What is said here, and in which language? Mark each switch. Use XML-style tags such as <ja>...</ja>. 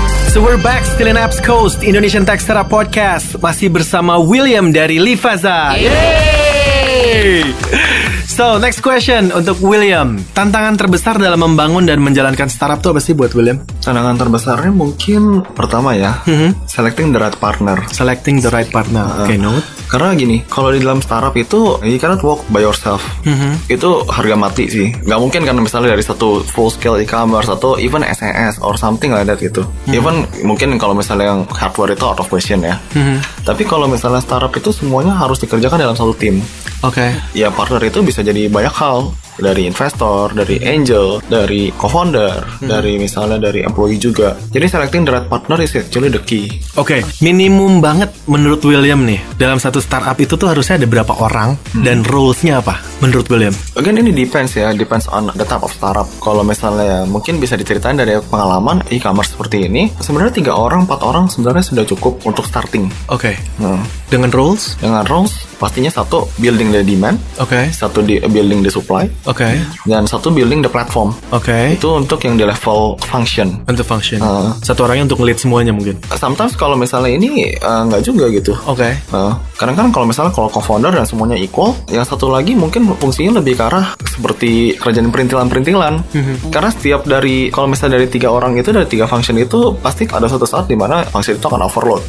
<en>So we're back still in Apps Coast, Indonesian Tech Startup Podcast.</en> <id>Masih bersama William dari Livaza. Yeay!</id> <en>So, next question</en> <id>untuk William. Tantangan terbesar dalam membangun dan menjalankan startup itu apa sih buat William? Tantangan terbesarnya mungkin pertama ya,</id> <en>selecting the right partner. Selecting the right partner, okay, note.</en> <id>Karena gini, kalau di dalam startup itu,</id> <en>you cannot work by yourself.</en> <id>Itu harga mati sih. Gak mungkin kan misalnya dari satu full-scale e-commerce atau even</id> <en>SaaS or something like that</en> <id>gitu. Even mungkin kalau misalnya yang hardware itu</id> <en>out of question</en> <id>ya. Tapi kalau misalnya startup itu semuanya harus dikerjakan dalam satu tim. Oke. Ya partner itu bisa jadi banyak hal. Dari investor, dari angel, dari co-founder, dari misalnya dari employee juga. Jadi</id> <en>selecting the right partner is actually the key.</en> <id>Oke, minimum banget menurut William nih, dalam satu startup itu tuh harusnya ada berapa orang, dan rules-nya apa menurut William?</id> <en>Again, ini depends ya, depends on the type of startup.</en> <id>Kalau misalnya mungkin bisa diceritain dari pengalaman e-commerce seperti ini, sebenarnya 3 orang, 4 orang sebenarnya sudah cukup untuk starting. Oke, dengan rules? Dengan rules, pastinya satu, building the demand. Oke. Satu, building the supply. Oke. Dan satu, building the platform. Oke. Itu untuk yang di level function. Untuk function. Satu orangnya untuk ngelead semuanya mungkin.</id> <en>Sometimes</en> <id>kalau misalnya ini nggak juga gitu. Oke. Kadang-kadang kalau misalnya kalau co-founder dan semuanya equal, yang satu lagi mungkin fungsinya lebih ke arah seperti kerjaan perintilan-perintilan. Karena setiap dari, kalau misalnya dari 3 orang itu, dari 3 function itu, pasti ada satu saat di mana function itu akan overload.</id>